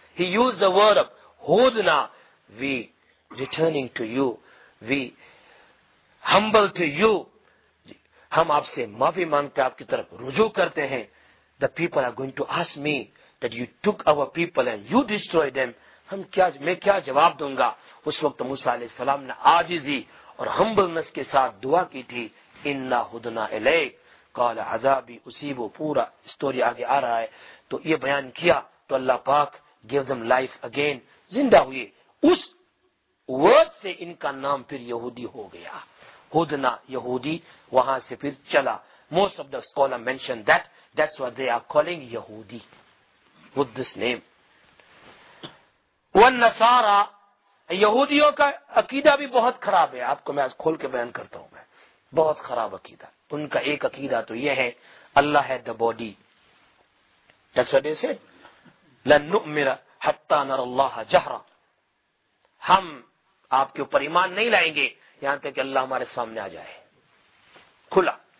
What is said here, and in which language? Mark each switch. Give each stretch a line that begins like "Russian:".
English: He used the word of hudna, we returning to you, we humble to you.
Urdu: ہم آپ سے معافی مانگتے, آپ کی طرف رجوع کرتے ہیں.
English: The people are going to ask me that you took our people and you destroyed them.
Urdu: ہم کیا, میں کیا جواب دوں گا؟ اس وقت موسیٰ علیہ السلام نے عاجزی اور ہمبلنس کے ساتھ دعا کی تھی,
Arabic: انا ہدنا الیک, قال عذابی اسیبو.
Urdu: پورا اسٹوری آگے آ رہا ہے, تو یہ بیان کیا تو اللہ پاک
English: give them life again,
Urdu: زندہ ہوئے. اس ورڈ سے ان کا نام پھر یہودی ہو گیا, ہدنا یہودی, وہاں سے پھر چلا.
English: Most of the scholar mention that, that's what they are calling یہودی with this name.
Urdu: والنصارا, یہودیوں کا عقیدہ بھی بہت خراب ہے, آپ کو میں آج کھول کے بیان کرتا ہوں. میں بہت خراب عقیدہ ان کا, ایک عقیدہ تو یہ ہے اللہ ہے
English: the body, that's what they say,
Arabic: لنؤمن حتی نرى اللہ جہرا,
Urdu: ہم آپ کے اوپر ایمان نہیں لائیں گے یہاں تک کہ اللہ ہمارے سامنے آ جائے کھلا.